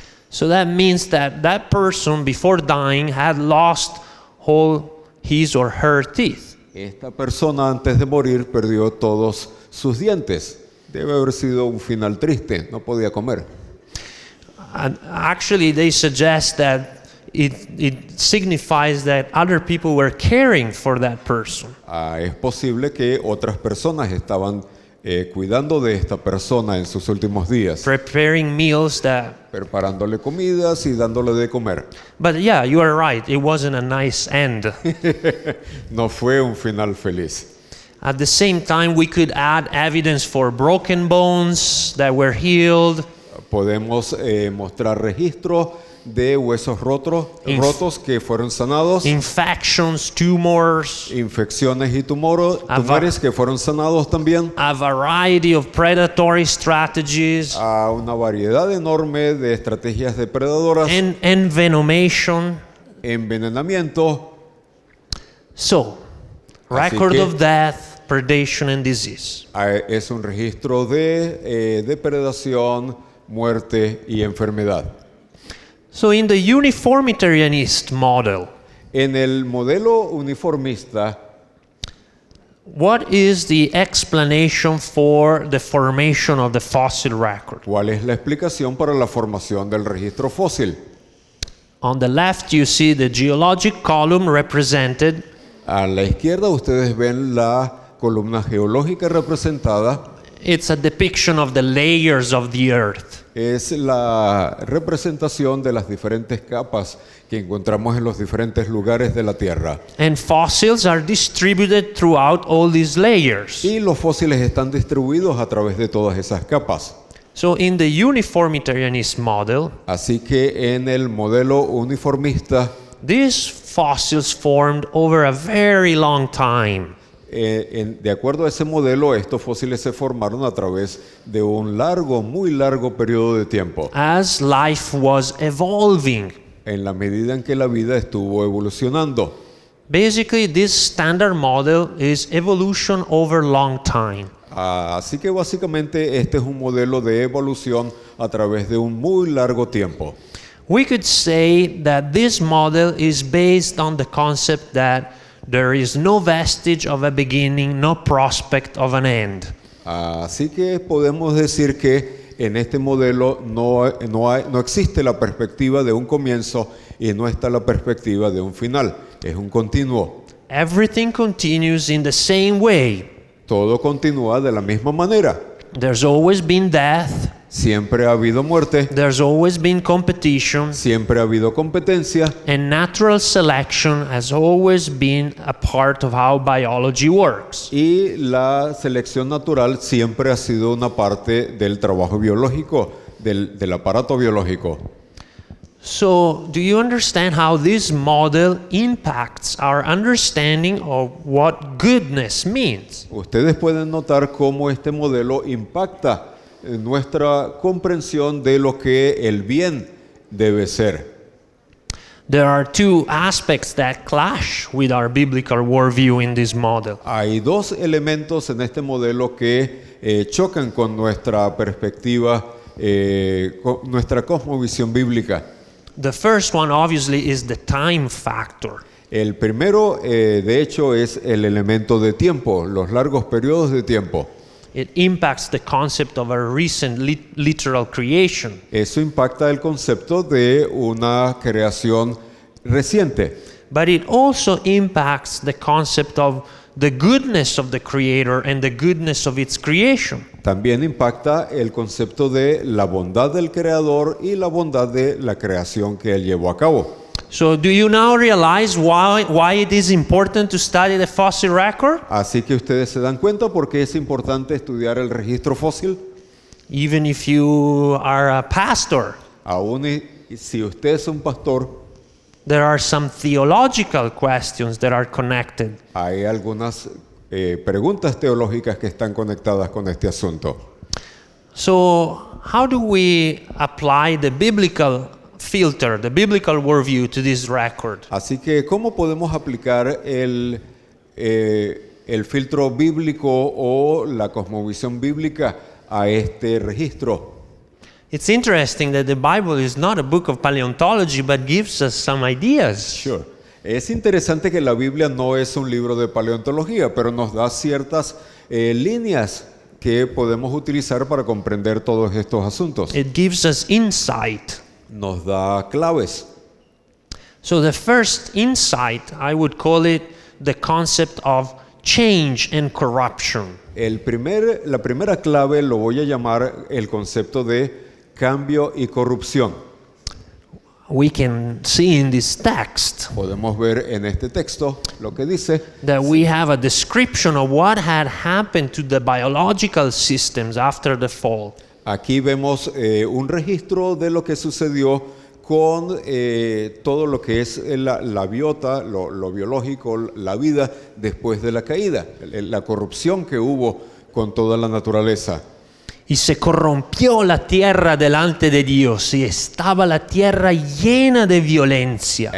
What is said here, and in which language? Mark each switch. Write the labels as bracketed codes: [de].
[en] So that means that that person before dying had lost all his or her teeth. [es] Esta persona antes de morir perdió todos sus dientes. Debe haber sido un final triste, no podía comer. [en] And actually they suggest that it signifies that other people were caring for that person. [es] Es posible que otras personas estaban cuidando de esta persona en sus últimos días. [en] Preparing meals that [es] preparándole comidas y dándole de comer. [en] But yeah, you are right. It wasn't a nice end. [es] No fue un final feliz. [en] At the same time, we could add evidence for broken bones that were healed. [es] Podemos mostrar registros de huesos rotos que fueron sanados. [en] Infections, tumors. [es] Infecciones y tumores que fueron sanados también. [en] A variety of predatory strategies. [es] A una variedad enorme de estrategias depredadoras. [en] And envenomation. [es] Envenenamiento. [en] So, record of death, predation and disease. [es] Es un registro de depredación, muerte y enfermedad. [en] So in the uniformitarianist model, [es] en el modelo uniformista, [en] what is the explanation for the formation of the fossil record? [es] ¿Cuál es la explicación para la formación del registro fósil? [en] On the left you see the geologic column represented. [es] A la izquierda ustedes ven la columna geológica representada. [en] It's a depiction of the layers of the earth. [es] Es la representación de las diferentes capas que encontramos en los diferentes lugares de la Tierra. [en] And fossils are distributed throughout all these layers. [es] Y los fósiles están distribuidos a través de todas esas capas. [en] So in the uniformitarianist model, [es] así que en el modelo uniformista, [en] these fossils formed over a very long time. [es] De acuerdo a ese modelo, estos fósiles se formaron a través de un largo, muy largo periodo de tiempo. [en] As life was evolving. [es] En la medida en que la vida estuvo evolucionando. [en] Basically, this standard model is evolution over long time. [es] Así que básicamente este es un modelo de evolución a través de un muy largo tiempo. [en] We could say that this model is based on the concept that there is no vestige of a beginning, no prospect of an end. [es] Así que podemos decir que en este modelo no existe la perspectiva de un comienzo y no está la perspectiva de un final. Es un continuo. [en] Everything continues in the same way. [es] Todo continúa de la misma manera. [en] There's always been death. [es] Siempre ha habido muerte. [en] There's always been competition. [es] Siempre ha habido competencia. [en] And natural selection has always been a part of how biology works. [es] Y la selección natural siempre ha sido una parte del trabajo biológico, del aparato biológico. [en] So, do you understand how this model impacts our understanding of what goodness means? [es] Ustedes pueden notar cómo este modelo impacta nuestra comprensión de lo que el bien debe ser. [en] There are two aspects that clash with our biblical worldview in this model. [es] Hay dos elementos en este modelo que chocan con nuestra perspectiva, con nuestra cosmovisión bíblica. [en] The first one obviously is the time factor. [es] El primero, de hecho, es el elemento de tiempo, los largos periodos de tiempo. [en] It impacts the concept of a recent literal creation. [es] Eso impacta el concepto de una creación reciente. [en] But it also impacts the concept of the goodness of the creator and the goodness of its creation. [es] También impacta el concepto de la bondad del creador y la bondad de la creación que él llevó a cabo. [en] So do you now realize why it is important to study the fossil record? [es] Así que ustedes se dan cuenta por qué es importante estudiar el registro fósil. [en] Even if you are a pastor. [es] Aún si usted es un pastor. [en] There are some theological questions that are connected. [es] Hay algunas preguntas teológicas que están conectadas con este asunto. [en] So how do we apply the biblical filter, the biblical worldview to this record? [es] Así que, ¿cómo podemos aplicar el el filtro bíblico o la cosmovisión bíblica a este registro. [en] It's interesting that the Bible is not a book of paleontology, but gives us some ideas. Sure. [es] Es interesante que la Biblia no es un libro de paleontología, pero nos da ciertas líneas que podemos utilizar para comprender todos estos asuntos. [en] It gives us insight. [es] Nos da claves. [en] So the first insight, I would call it the concept of change and corruption. [es] La primera clave lo voy a llamar el concepto de cambio y corrupción. [en] We can see in this text. [es] Podemos ver en este texto lo que dice. [en] That we have a description of what had happened to the biological systems after the fall. [es] Aquí vemos un registro de lo que sucedió con todo lo que es la biota, lo biológico, la vida después de la caída, la corrupción que hubo con toda la naturaleza. Y se corrompió la tierra delante de Dios, y estaba la tierra llena de violencia.